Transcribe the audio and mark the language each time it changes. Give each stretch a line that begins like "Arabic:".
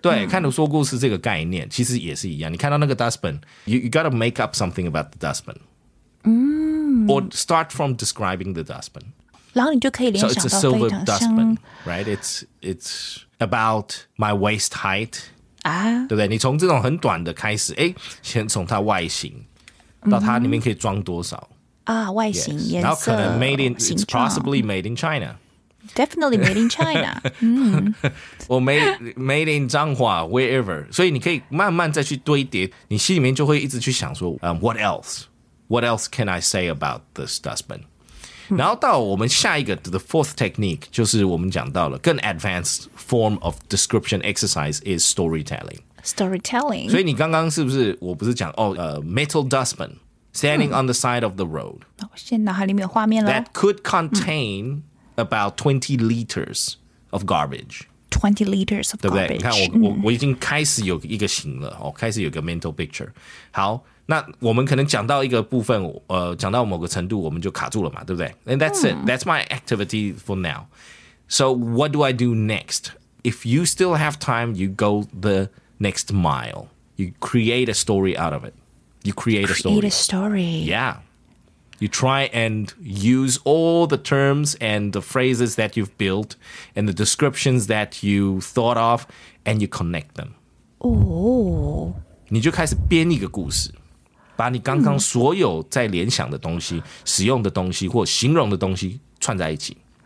Chinese: 对，看图说故事这个概念其实也是一样。你看到那个
English: dustbin， you gotta make up something about the dustbin， or start from describing the dustbin，
Chinese: 然后你就可以联想到非常像
English: so it's a silver dustbin， right？ It's about my waist height 啊，
Chinese: 对不对？你从这种很短的开始，先从它外形到它里面可以装多少啊，外形、颜色，然后可能
English: made in it's possibly made in China。 Definitely made in China. Or made in
Chinese: 彰化
English: wherever.
Chinese: 所以你可以慢慢再去堆叠，你心里面就会一直去想说、
English: what else? What else can I say about this dustbin?、
Chinese: 然后到我们下一个
English: the fourth technique,
Chinese: 就是我们讲到了更
English: advanced form of description exercise is storytelling. Storytelling.
Chinese: 所以你刚刚是不是我不是讲、
English: metal dustbin standing on the side of the road.
Chinese: 我现在脑海里面有画面了。
English: That could contain...、about 20 liters of garbage. 20 liters of garbage.
Chinese: 对不对？你看我已经开始有一个形了、开始有一个
English: mental picture.
Chinese: 好，那我们可能讲到一个部分、讲到某个程度我们就卡住了嘛，对不对？
English: And that's it. That's my activity for now. So what do I do next? If you still have time, you go the next mile. You create a story out of it. You create a story. Create a story. Yeah. You try and use all the terms and the phrases that you've built and the descriptions that you thought of and you connect them. Oh.
Chinese: 你就开始编一个故事，把你刚刚所有在联想的东西、使用的东西或形容的东西串在一起。